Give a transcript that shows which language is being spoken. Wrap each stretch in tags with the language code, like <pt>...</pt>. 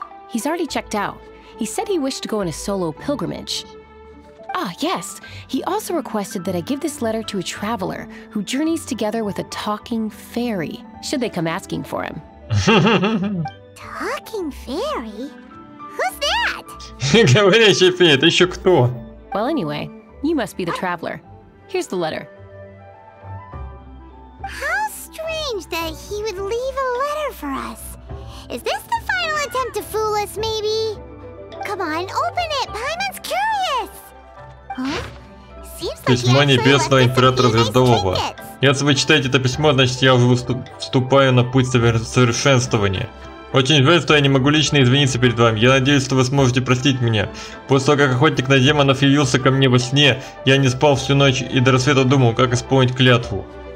<en>He's already checked out. He said he wished to go on a solo pilgrimage. Ah, yes. He also requested that I give this letter to a traveler who journeys together with a talking fairy, should they come asking for him. Talking fairy? Who's that?</en> <ru>Говорящая фея, ты еще кто?</ru> <en>Well, anyway, you must be the traveler. Here's the letter. How strange that he would leave a letter for us. Is this the final attempt to fool us, maybe? Come on, open it! Paimon's curious! Huh?</en> <ru>Письмо Небесного Императора Звездового. Если вы читаете это письмо, значит я уже вступаю на путь совершенствования. Очень жаль, что я не могу лично извиниться перед вами. Я надеюсь, что вы сможете простить меня. После того, как охотник на демонов явился ко мне во сне, я не спал всю ночь и до рассвета думал, как исполнить клятву.</ru>